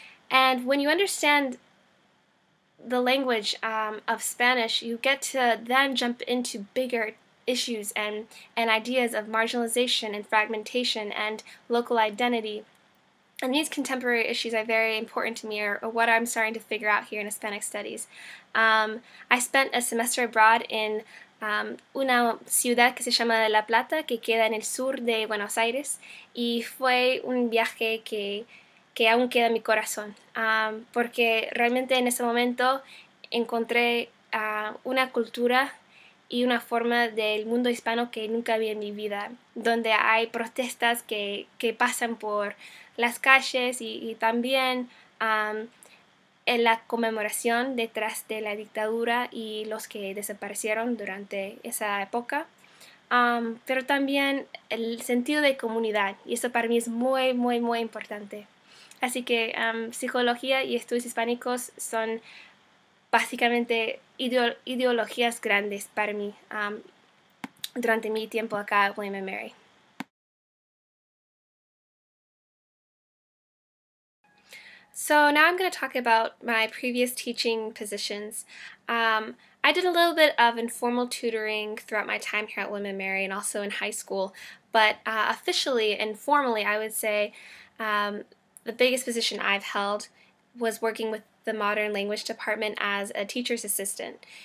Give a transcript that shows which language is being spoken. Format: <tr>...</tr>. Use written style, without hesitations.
<en>And when you understand the language of Spanish, you get to then jump into bigger issues and ideas of marginalization and fragmentation and local identity. And these contemporary issues are very important to me, or what I'm starting to figure out here in Hispanic studies. I spent a semester abroad in</en> <es>una ciudad que se llama La Plata, que queda en el sur de Buenos Aires, y fue un viaje que aún queda en mi corazón, porque realmente en ese momento encontré una cultura y una forma del mundo hispano que nunca vi en mi vida, donde hay protestas que pasan por las calles y también en la conmemoración detrás de la dictadura y los que desaparecieron durante esa época. Pero también el sentido de comunidad, y eso para mí es muy, muy, muy importante. Así que psicología y estudios hispánicos son básicamente ideologías grandes para mí durante mi tiempo acá en William & Mary.</es> <en>So now I'm going to talk about my previous teaching positions. I did a little bit of informal tutoring throughout my time here at William & Mary and also in high school, but officially and formally, I would say the biggest position I've held was working with the Modern Language Department as a teacher's assistant.</en>